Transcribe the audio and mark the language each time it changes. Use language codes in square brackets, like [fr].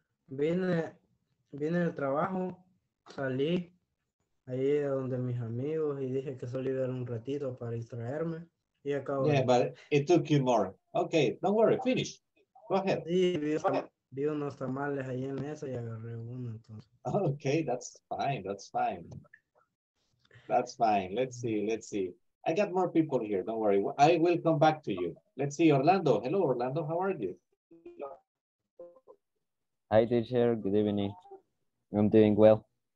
[es] Vine del trabajo, salí ahí donde mis amigos y dije que solo iba a dar un ratito para distraerme y acabo. [en] Yeah, but it took you more. Okay, don't worry, finish. Go ahead. [es] Sí, Vi unos tamales ahí en mesa y agarré uno, entonces. [en] Okay, that's fine, that's fine. That's fine. Let's see, let's see. I got more people here, don't worry. I will come back to you. Let's see, Orlando. Hello, Orlando, how are you? Hi, teacher, good evening. I'm doing well.